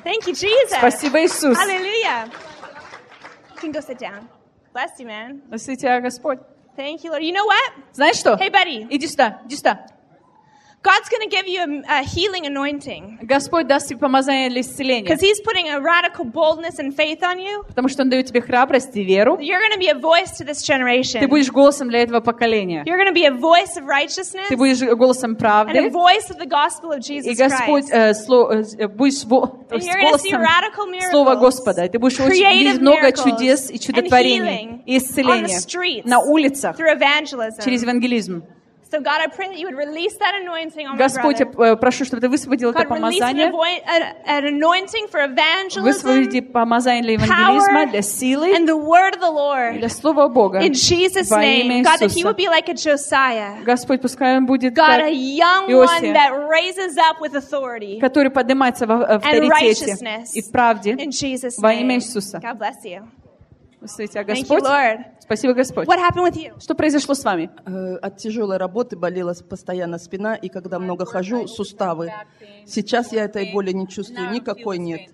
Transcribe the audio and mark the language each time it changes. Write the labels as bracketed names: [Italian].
[English] Thank you, Jesus. [Russian] Спасибо, Иисус. [English] Hallelujah. You can go sit down. Bless you, man. [Russian] Благослови тебя, Господь. [English] Thank you, Lord. You know what? [Russian] Знаешь что? [English] Hey, buddy. [Russian] Иди сюда, иди сюда. [English] God's gonna give you a healing anointing. [Russian] Господь даст тебе помазание для исцеления. [English] Because He's putting a radical boldness and faith on you. [Russian] Потому что Он дает тебе храбрость и веру. [English] You're gonna be a voice to this generation. [Russian] Ты будешь голосом для этого поколения. [English] You're gonna be a voice of righteousness. [Russian] Ты будешь голосом правды. [English] And a voice of the gospel of Jesus Christ. [Russian] И Господь будешь голосом слова Господа. Ты будешь очень много чудес и чудотворений и исцеления на улицах [English] through evangelism. [Russian] Через евангелизм. [English] So God, I pray that you would release that anointing on my [Russian] Господь, я прошу, чтобы ты высвободил это помазание. [English] An anointing for evangelism. [Russian] Высвободи помазание для евангелизма, для силы. [English] And the word of the Lord. [Russian] И для слова Бога. [English] In Jesus' name, God, that he would be like a Josiah. [Russian] Господь, пускай он будет как Иосия. [English] God, a young one that raises up with authority. [Russian] Который поднимается в авторитете и в правде. [English] In Jesus' name. [Russian] Во имя Иисуса. [English] God bless you. [Russian] Благослови тебя, Господь. [English] Thank you, Lord. [Russian] Спасибо, Господь. [English] What happened with you? [Russian] Что произошло с вами? От тяжелой работы болела постоянно спина, и когда много хожу, суставы. Сейчас я этой боли не чувствую, никакой нет.